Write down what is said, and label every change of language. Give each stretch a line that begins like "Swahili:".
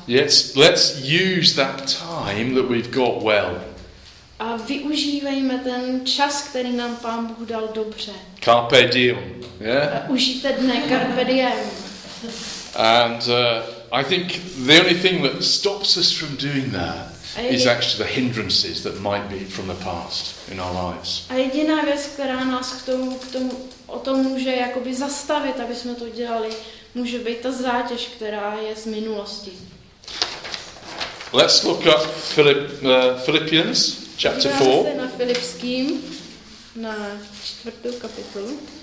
English: Yes, let's use that time that we've got well.
Czech: A využívejme ten čas, který nám Pán Bůh dal dobře.
Latin: Carpe diem,
English: yeah?
Czech: Užijte dne,
Latin: carpe diem.
English: And I think the only thing that stops us from doing that is actually the hindrances that might be from the past in our lives.
Czech: A jediná věc, která nás k tomu o tom může jakoby zastavit, aby jsme to dělali, může být ta zátěž, která je z minulosti.
English: Let's look at Philippians chapter 4.
Czech: Dívejte se na Filipským na čtvrtou kapitolu.